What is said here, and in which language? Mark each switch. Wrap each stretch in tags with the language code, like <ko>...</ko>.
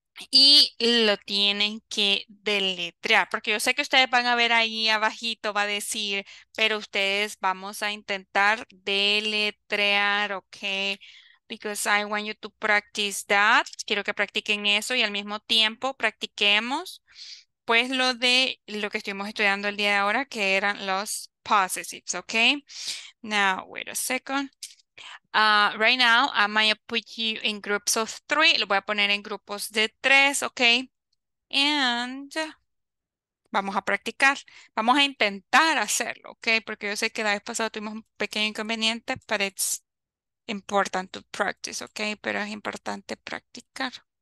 <es>Y lo tienen que deletrear, porque yo sé que ustedes van a ver ahí abajito, va a decir, pero ustedes vamos a intentar deletrear, ¿ok?</es> <en>Because I want you to practice that.</en> <es>Quiero que practiquen eso y al mismo tiempo practiquemos, pues, lo de lo que estuvimos estudiando el día de ahora, que eran los possessives, ¿ok?</es> <en>Now, wait a second. Right now, I might put you in groups of three.</en> <es>Lo voy a poner en grupos de tres, ¿ok?</es> <en>And</en> <es>vamos a practicar. Vamos a intentar hacerlo, ¿ok? Porque yo sé que la vez pasada tuvimos un pequeño inconveniente,</es> <en>but it's important to practice,</en> <es>¿ok? Pero es importante practicar.</es>